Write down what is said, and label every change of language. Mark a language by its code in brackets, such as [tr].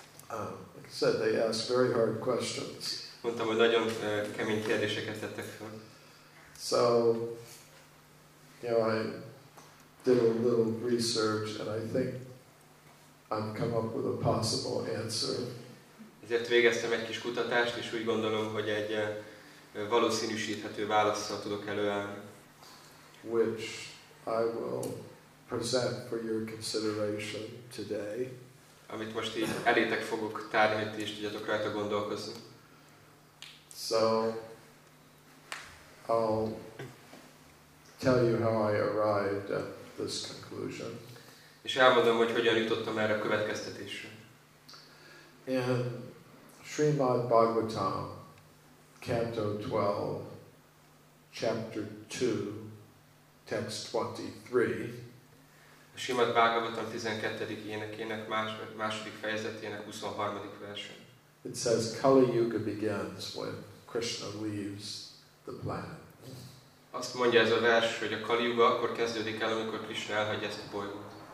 [en] Like I said, they ask very hard questions. [hu] Mondtam, hogy nagyon kemény kérdéseket tettek fel. [en] So, you know, I did a little research, and I think I've come up with a possible answer. [hu] Ezért végeztem egy kis kutatást, és úgy gondolom, hogy egy valószínűsíthető válaszsal tudok előállni. [en] Which I will present for your consideration today. [hu] Amit most így elétek fogok tárni, hogy ti is tudjatok rajta gondolkozni. [en] So, I'll tell you how I arrived at this conclusion. [hu] És elmondom, hogy hogyan jutottam erre a következtetésre. [en] In Srimad Bhagavatam, Canto 12, Chapter 2, Text 23. [hu] A Srimad Bhagavatam 12. énekének második fejezetének 23. versen. [en] It says, Kali Yuga begins with Krishna leaves the planet. [hu] Azt mondja ez a vers, hogy a Kali Yuga akkor kezdődik el, amikor Krishna elhagyja ezt a bolygót.